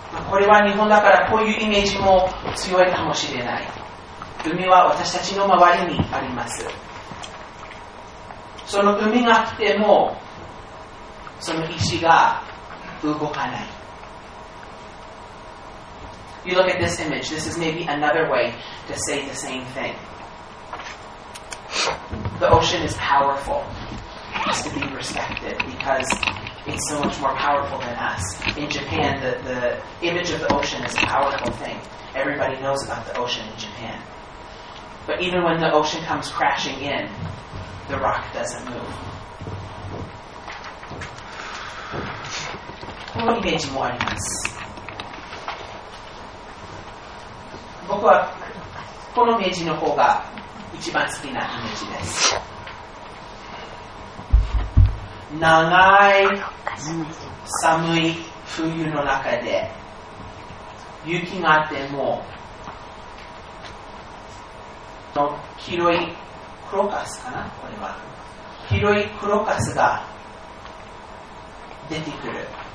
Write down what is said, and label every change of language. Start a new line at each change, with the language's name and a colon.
Japanese: これは日本だからこういうイメージも強いかもしれない。海は私たちの周りにあります。その海が来てもその石が動かない。
English: You look at this image. This is maybe another way to say the same thing. The ocean is powerful. It has to be respected becauseIt's so much more powerful than us. In Japan, the image of the ocean is a powerful thing. Everybody knows about the ocean in Japan. But even when the ocean comes crashing in, the rock doesn't move.
Japanese: このイメージもあります。僕はこのイメージの方が一番好きなイメージです。長い寒い冬の中で雪があっても黄色いクロカスかな、これは黄色いクロカスが出てくる。